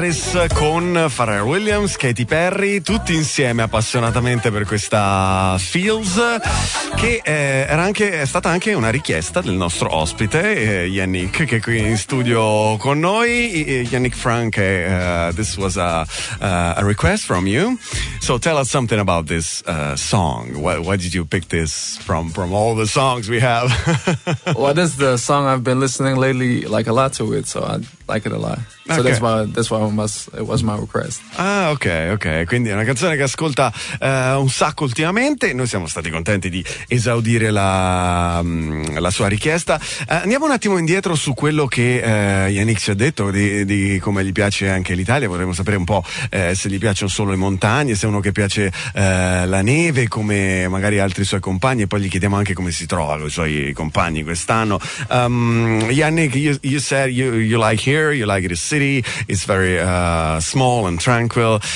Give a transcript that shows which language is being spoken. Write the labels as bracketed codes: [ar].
[it] Harris con Pharrell Williams, Katy Perry, tutti insieme appassionatamente per questa Feels, che è stata anche una richiesta del nostro ospite Yannick, che è qui in studio con noi. [en] Yannick Frank, this was a request from you. So tell us something about this song. Why did you pick this from all the songs we have? Well, this is the song I've been listening lately, like a lot to it, so I like it a lot. Okay. So that's why it was my request. [it] Ah, ok. Quindi è una canzone che ascolta un sacco ultimamente. Noi siamo stati contenti di esaudire la sua richiesta. Andiamo un attimo indietro su quello che Yannick ci ha detto di come gli piace anche l'Italia. Vorremmo sapere un po' se gli piacciono solo le montagne, se è uno che piace la neve, come magari altri suoi compagni, e poi gli chiediamo anche come si trova con i suoi compagni quest'anno. [en] Yannick, you said you like here, you like this city, it's very small and tranquil.